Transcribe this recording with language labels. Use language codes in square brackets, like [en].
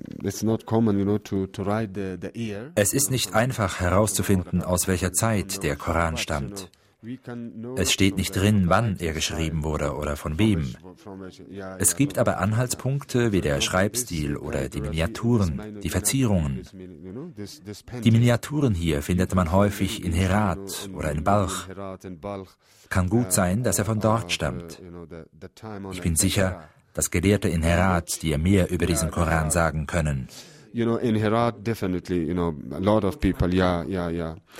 [en] It's not common, you know, to write the year. [de] Es ist nicht einfach herauszufinden, aus welcher Zeit der Koran stammt. Es steht nicht drin, wann er geschrieben wurde oder von wem. Es gibt aber Anhaltspunkte wie der Schreibstil oder die Miniaturen, die Verzierungen. Die Miniaturen hier findet man häufig in Herat oder in Balch. Kann gut sein, dass er von dort stammt. Ich bin sicher, dass Gelehrte in Herat dir mehr über diesen Koran sagen können. [en] You know, in Herat definitely, you know, a lot of people, yeah, yeah, yeah.